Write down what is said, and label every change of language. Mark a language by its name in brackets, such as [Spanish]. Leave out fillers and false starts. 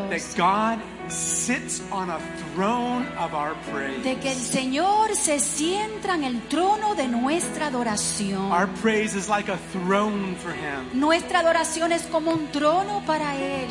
[English] that God sits on a throne of our praise. [Spanish] De que el Señor se sienta en el trono de nuestra adoración. [English] Our praise is like a throne for him. [Spanish] Nuestra adoración es como un trono para él.